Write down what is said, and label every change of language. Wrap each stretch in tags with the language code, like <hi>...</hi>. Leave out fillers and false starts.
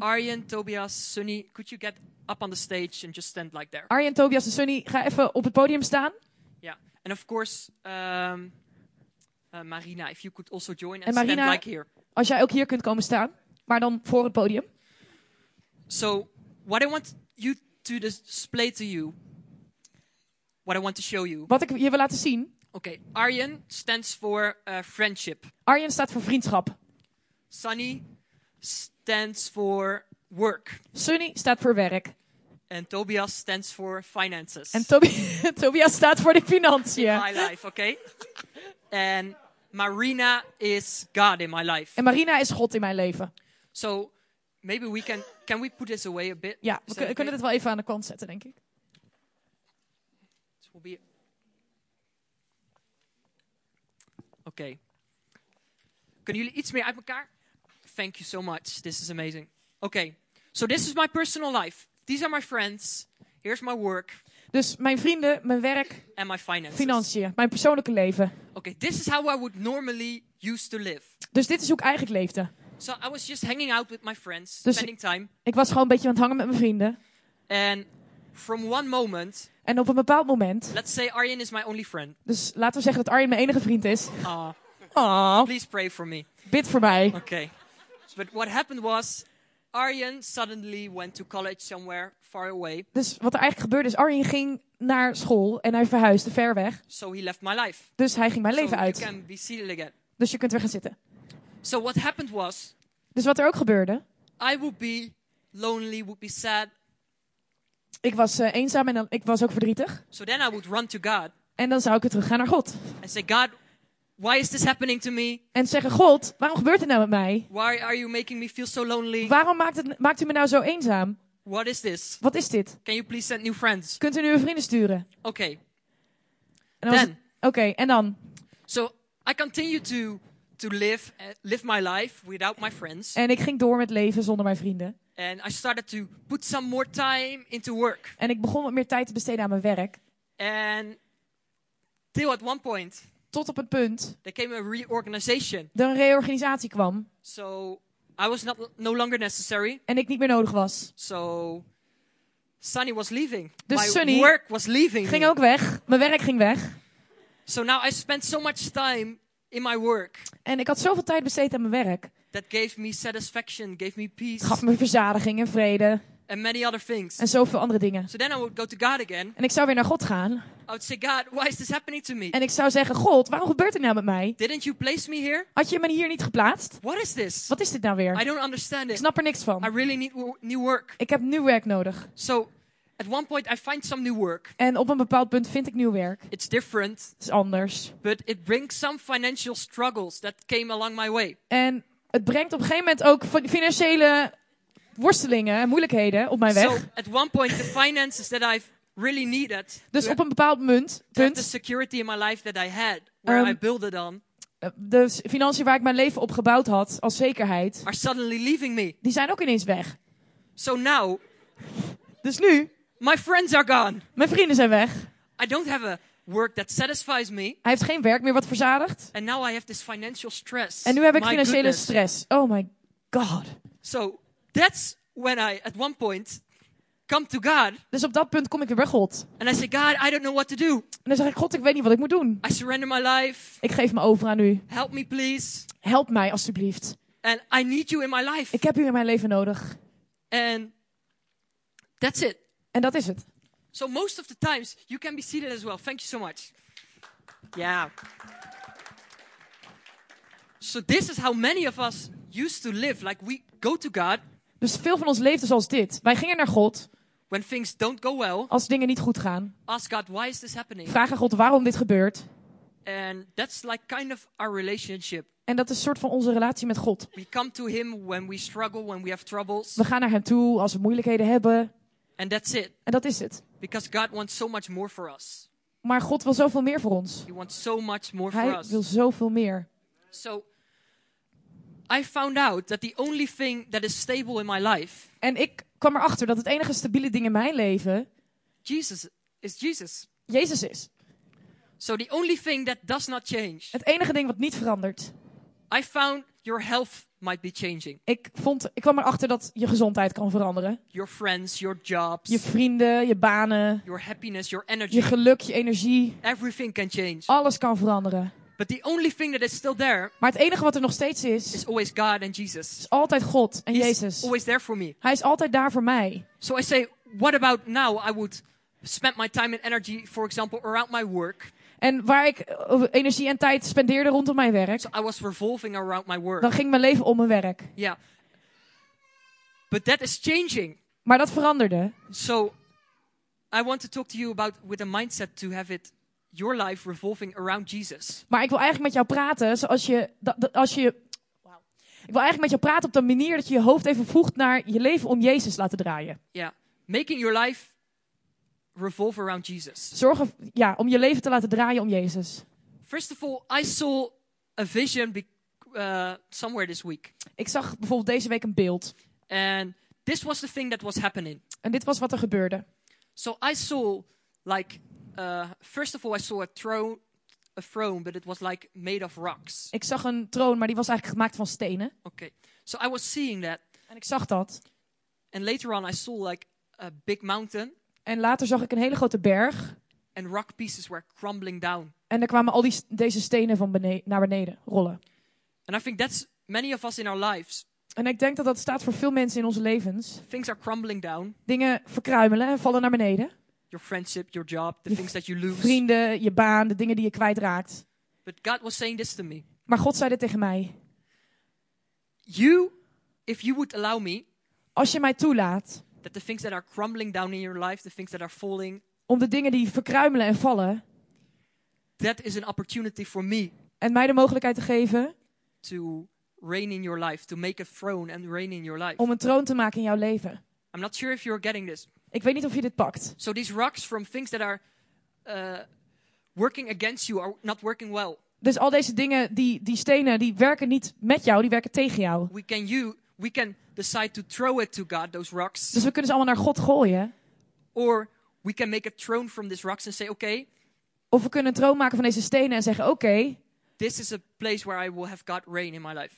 <en>Arjen, Tobias, Sunny, could you get up on the stage and just stand like there?</en> <nl>Arjen, Tobias en Sunny, ga even op het podium staan. Ja, yeah.</nl> <en>And of course, Marina, if you could also join and Marina, stand like here.</en> <nl>Als jij ook hier kunt komen staan, maar dan voor het podium.</nl> <en>So, what I want you to display to you, what I want to show you.</en> <nl>Wat ik je wil laten zien.</nl> <en>Okay, Arjen stands for friendship.</en> <nl>Arjen staat voor vriendschap.</nl> <en>Sunny stands for work.</en> <nl>Sunny staat voor werk.</nl> <en>And Tobias stands for finances.</en> <nl>En Tobias staat voor de financiën.</nl> <en>In my life, okay? And Marina is God in my life.</en> <nl>En Marina is God in mijn leven.</nl> <en>So maybe we can we put this away a bit?</en> <nl>Ja, we kunnen dit wel even aan de kant zetten, denk ik. Oké. Kunnen jullie iets meer uit elkaar?</nl> <en>Thank you so much. This is amazing. Okay. So this is my personal life. These are my friends. Here's my work.</en> <nl>Dus mijn vrienden, mijn werk.</nl> <en>And my finances.</en> <nl>Financiën, mijn persoonlijke leven.</nl> <en>Okay, this is how I would normally used to live.</en> <nl>Dus dit is hoe ik eigenlijk leefde.</nl> <en>So I was just hanging out with my friends, spending time.</en> <nl>Ik was gewoon een beetje aan het hangen met mijn vrienden.</nl> <en>And from one moment.</en> <nl>En op een bepaald moment.</nl> <en>Let's say Arjen is my only friend.</en> <nl>Dus laten we zeggen dat Arjen mijn enige vriend is.</nl> <en>Please pray for me.</en> <nl>Bid voor mij. Okay.</nl> <en>But what happened was Arjen suddenly went to college somewhere far away.</en> <nl>Dus wat er eigenlijk gebeurde is Arjen ging naar school en hij verhuisde ver weg.</nl> <en>So he left my life.</en> <nl>Dus hij ging mijn leven uit.</nl> <en>So you can be seated again.</en> <nl>Dus je kunt weer gaan zitten.</nl> <en>So what happened was.</en> <nl>Dus wat er ook gebeurde.</nl> <en>I would be lonely, would be sad.</en> <nl>Ik was eenzaam en ik was ook verdrietig.</nl> <en>So then I would run to God.</en> <nl>En dan zou ik weer terug gaan naar God.</nl> <en>And say, God, Why is this happening to me?</en> <nl>En zeggen, God, waarom gebeurt dit nou met mij?</nl> <en>Why are you making me feel so lonely?</en> <nl>Waarom maakt u me nou zo eenzaam?</nl> <en>What is this?</en> <nl>Wat is dit?</nl> <en>Can you please send new friends?</en> <nl>Kunt u nieuwe vrienden sturen? Oké. Okay, en dan?</nl> <en>So, I continue to live my life without my friends.</en> <nl>En ik ging door met leven zonder mijn vrienden.</nl> <en>And I started to put some more time into work.</en> <nl>En ik begon wat meer tijd te besteden aan mijn werk.</nl> <en>And till at one point.</en> <nl>Tot op het punt.</nl> <en>There came a reorganization.</en> <nl>De reorganisatie kwam.</nl> <en>So I was not no longer necessary.</en> <nl>En ik niet meer nodig was.</nl> <en>So Sunny was leaving.</en> <nl>Dus</nl> <en>my Sunny work was leaving.</en> <nl>Ging ook weg. Mijn werk ging weg.</nl> <en>So now I spent so much time in my work.</en> <nl>En ik had zoveel tijd besteed aan mijn werk.</nl> <en>That gave me satisfaction, gave me peace.</en> <nl>Gaf me verzadiging en vrede.</nl> <en>And many other things.</en> <nl>En zoveel andere dingen.</nl> <en>So then I would go to God again.</en> <nl>En ik zou weer naar God gaan.</nl> <en>I would say, God, why is this happening to me?</en> <nl>En ik zou zeggen, God, waarom gebeurt dit nou met mij?</nl> <en>Didn't you place me here?</en> <nl>Had je me hier niet geplaatst?</nl> <en>What is this?</en> <nl>Wat is dit nou weer?</nl> <en>I don't understand it.</en> <nl>Ik snap er niks van.</nl> <en>I really need new work.</en> <nl>Ik heb nieuw werk nodig.</nl> <en>So, at one point I find some new work.</en> <nl>En op een bepaald punt vind ik nieuw werk.</nl> <en>It's different.</en> <nl>Het is anders.</nl> <en>But it brings some financial struggles that came along my way.</en> <nl>En het brengt op een gegeven moment ook financiële worstelingen en moeilijkheden op mijn weg.</nl> <en>So at one point the finances that I've really needed.</en> <nl>Dus op een bepaald punt.</nl> <en>The security in my life that I had, where I built it on.</en> <nl>De financiën waar ik mijn leven op gebouwd had als zekerheid.</nl> <en>Are suddenly leaving me.</en> <nl>Die zijn ook ineens weg.</nl> <en>So now.</en> <nl>Dus nu.</nl> <en>My friends are gone.</en> <nl>Mijn vrienden zijn weg.</nl> <en>I don't have a work that satisfies me.</en> <nl>Hij heeft geen werk meer wat verzadigt.</nl> <en>And now I have this financial stress.</en> <nl>En nu heb ik financiële stress.</nl> <en>Oh my God. So that's when I at one point come to God.</en> <nl>Dus op dat punt kom ik weer bij God.</nl> <en>And I say, God, I don't know what to do.</en> <nl>En dan zeg ik, God, ik weet niet wat ik moet doen.</nl> <en>I surrender my life.</en> <nl>Ik geef me over aan u.</nl> <en>Help me please.</en> <nl>Help mij alsjeblieft.</nl> <en>And I need you in my life.</en> <nl>Ik heb u in mijn leven nodig.</nl> <en>And that's it.</en> <nl>En dat is het.</nl> <en>So most of the times you can be seated as well. Thank you so much. Yeah. So this is how many of us used to live. Like we go to God.</en> <nl>Dus veel van ons leefden zoals dit. Wij gingen naar God.</nl> <en>When things don't go well.</en> <nl>Als dingen niet goed gaan.</nl> <en>Ask God, why is this happening?</en> <nl>Vraag aan God waarom dit gebeurt.</nl> <en>And that's like kind of our relationship.</en> <nl>En dat is een soort van onze relatie met God.</nl> <en>We come to him when we struggle, when we have troubles.</en> <nl>We gaan naar hem toe als we moeilijkheden hebben.</nl> <en>And that's it.</en> <nl>En dat is het.</nl> <en>Because God wants so much more for us.</en> <nl>Maar God wil zoveel meer voor ons.</nl> <en>He wants so much more</en> <nl>Hij</nl> <en>for us.</en> <nl>Wil zoveel meer.</nl> <en>So I found out that the only thing that is stable in my life.</en> <nl>En ik kwam erachter dat het enige stabiele ding in mijn leven</nl> <en>Jesus is Jesus.</en> <nl>Jezus is.</nl> <en>So the only thing that does not change.</en> <nl>Het enige ding wat niet verandert.</nl> <en>I found your health might be changing.</en> <nl>Ik kwam erachter dat je gezondheid kan veranderen.</nl> <en>Your friends, your jobs.</en> <nl>Je vrienden, je banen.</nl> <en>Your happiness, your energy.</en> <nl>Je geluk, je energie.</nl> <en>Everything can change.</en> <nl>Alles kan veranderen.</nl> <en>But the only thing that is still there.</en> <nl>Maar het enige wat er nog steeds is.</nl> <en>Is always God and Jesus.</en> <nl>Is altijd God en</nl> <en>He's</en> <nl>Jezus.</nl> <en>Always there for me.</en> <nl>Hij is altijd daar voor mij.</nl> <en>So I say, what about now? I would spend my time and energy, for example, around my work.</en> <nl>En waar ik energie en tijd spendeerde rondom mijn werk.</nl> <en>So I was revolving around my work.</en> <nl>Dan ging mijn leven om mijn werk.</nl> <en>Yeah. But that is changing.</en> <nl>Maar dat veranderde.</nl> <en>So I want to talk to you about with a mindset to have it. Your life revolving around Jesus.</en> <nl>Maar ik wil eigenlijk met jou praten zoals je Wow. Ik wil eigenlijk met jou praten op de manier dat je je hoofd even voegt naar je leven om Jezus laten draaien.</nl> <en>Ja. Yeah. Making your life revolve around Jesus.</en> <nl>Zorgen ja, om je leven te laten draaien om Jezus.</nl> <en>First of all, I saw a vision somewhere this week.</en> <nl>Ik zag bijvoorbeeld deze week een beeld.</nl> <en>And this was the thing that was happening.</en> <nl>En dit was wat er gebeurde.</nl> <en>So I saw like first of all, I saw a throne, but it was like made of rocks.</en> <nl>Ik zag een troon, maar die was eigenlijk gemaakt van stenen.</nl> <en>Okay, so I was seeing that.</en> <nl>En ik zag dat.</nl> <en>And later on, I saw like a big mountain.</en> <nl>En later zag ik een hele grote berg.</nl> <en>And rock pieces were crumbling down.</en> <nl>En er kwamen al deze stenen van naar beneden rollen.</nl> <en>And I think that's many of us in our lives.</en> <nl>En ik denk dat dat staat voor veel mensen in onze levens.</nl> <en>Things are crumbling down.</en> <nl>Dingen verkruimelen en vallen naar beneden.</nl> <en>Your friendship, your job, the things that you lose.</en> <nl>Vrienden, je baan, de dingen die je kwijtraakt.</nl> <en>But God was saying this to me.</en> <nl>Maar God zei dit tegen mij.</nl> <en>You, if you would allow me.</en> <nl>Als je mij toelaat.</nl> <en>That the things that are crumbling down in your life, the things that are falling.</en> <nl>Om de dingen die verkruimelen en vallen.</nl> <en>That is an opportunity for me.</en> <nl>En mij de mogelijkheid te geven.</nl> <en>To reign in your life, to make a throne and reign in your life.</en> <nl>Om een troon te maken in jouw leven.</nl> <en>I'm not sure if you're getting this.</en> <nl>Ik weet niet of je dit pakt.</nl> <en>So these rocks from things that are working against you are not working well.</en> <nl>Dus al deze dingen, die stenen, die werken niet met jou, die werken tegen jou.</nl> <en>We can decide to throw it to God, those rocks.</en> <nl>Dus we kunnen ze allemaal naar God gooien.</nl> <en>Or we can make a throne from these rocks and say, okay.</en> <nl>Of we kunnen een troon maken van deze stenen en zeggen, okay.</nl> <en>This is a place where I will have God reign in my life.</en>